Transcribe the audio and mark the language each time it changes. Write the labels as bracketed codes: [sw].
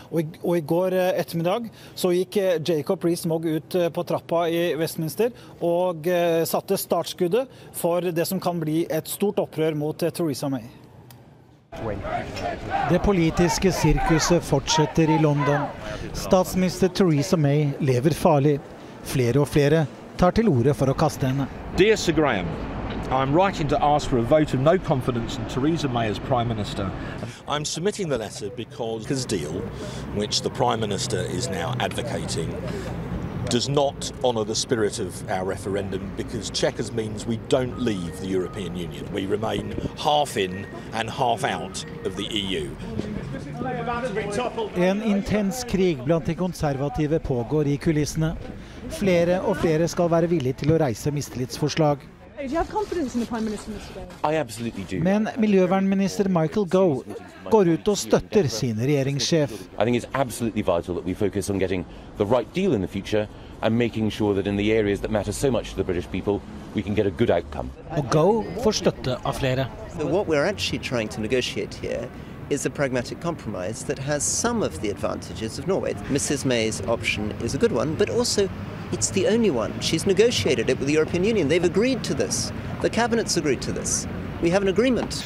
[no] Og i går ettermiddag så gikk Jacob Rees-Mogg ut på trappa i Westminster og satte startskuddet for det som kan bli et stort opprør mot Theresa May. Det politiske sirkuset fortsetter i London. Statsminister Theresa May lever farlig. Flere og flere tar til ordet for å kaste henne. [en] Dear Sir Graham, I'm writing to ask for a vote of no confidence in Theresa May as Prime Minister. I'm submitting the letter because his deal, which the Prime Minister is now advocating, does not honour the spirit of our referendum, because checkers means we don't leave the European Union. We remain half in and half out of the EU. [no] En intens krig blant de konservative pågår i kulissene. Flere og flere skal være villige til å reise mistillitsforslag. Men miljøvernminister Michael Gove går ut og støtter sin regjeringssjef. [en] I think it's absolutely vital that we focus on getting the right deal in the future and making sure that in the areas that matter so much to the British people, we can get a good outcome. [no] Og Gove får støtte av flere. [en] What we're actually trying to negotiate here is a pragmatic compromise that has some of the advantages of Norway. Mrs. May's option is a good one, but also it's the only one. She's negotiated it with the European Union. They've agreed to this. The cabinet's agreed to this. We have an agreement.